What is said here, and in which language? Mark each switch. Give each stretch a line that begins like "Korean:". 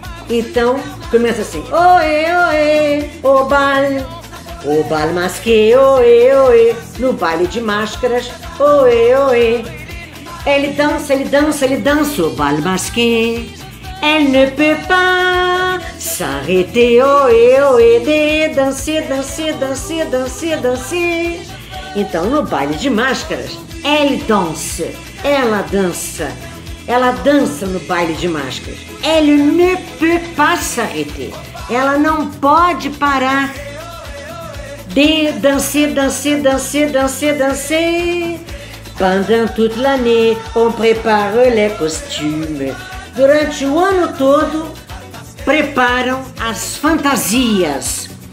Portuguese: Então, começa assim, oê, oê, o baile. O Bal Masqué, oê, oê, no baile de máscaras, oê, oê. Ele dança, ele dança, ele dança, o Bal Masqué.
French: Elle ne peut pas s'arrêter, oê, oê, de danser, danser, danser, danser, danser.
Portuguese: Então, no baile de máscaras,
French: elle danse,
Portuguese: ela dança. Ela dança no baile de máscaras.
French: Elle ne peut pas s'arrêter,
Portuguese: ela não pode parar.
French: De danser, danser, danser, danser, danser. Pendant toute l'année, on prépare les costumes.
Portuguese: Durante o ano todo, preparam as fantasias.